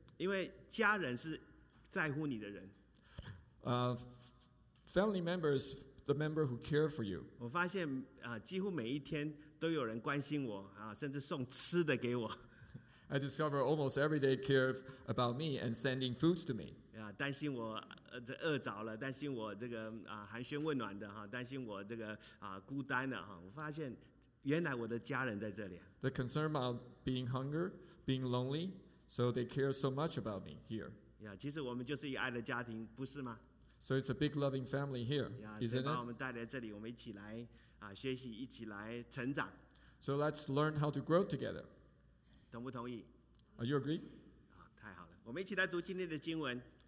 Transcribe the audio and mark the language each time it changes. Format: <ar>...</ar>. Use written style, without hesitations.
<zh>因为家人是在乎你的人。</zh> <en>Family members, the member who care for you.</en> <zh>我发现几乎每一天都有人关心我甚至送吃的给我。</zh> <en>I discover almost every day care about me and sending foods to me.</en> <zh>担心我饿着了，担心我这个寒暄问暖的担心我这个孤单的我发现原来我的家人在这里。</zh> <en>They're concerned about being hunger, being lonely, so they care so much about me here.</en> <zh>其实我们就是一个爱的家庭，不是吗？</zh> <en>So it's a big loving family here, isn't it?</en> <zh>神把我们带来这里，我们一起来学习，一起来成长。</zh> <en>So let's learn how to grow together.</en> <zh>同不同意？</zh> <en>You agree?</en> <zh>太好了，我们一起来读今天的经文。</zh>